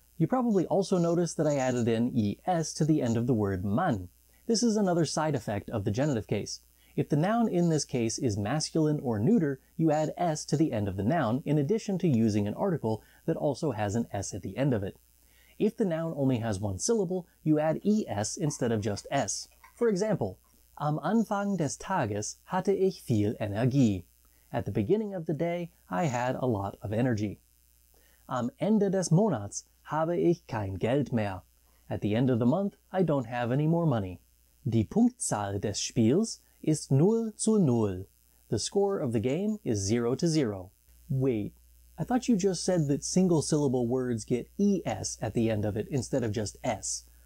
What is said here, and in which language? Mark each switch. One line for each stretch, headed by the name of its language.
English: You probably also noticed that I added in es to the end of the word Mann. This is another side effect of the genitive case. If the noun in this case is masculine or neuter, you add s to the end of the noun in addition to using an article that also has an s at the end of it. If the noun only has one syllable, you add es instead of just s. For example,
German: Am Anfang des Tages hatte ich viel Energie.
English: At the beginning of the day, I had a lot of energy.
German: Am Ende des Monats habe ich kein Geld mehr.
English: At the end of the month, I don't have any more money.
German: Die Punktzahl des Spiels ist 0:0.
English: The score of the game is 0:0. Wait, I thought you just said that single syllable words get ES at the end of it instead of just S.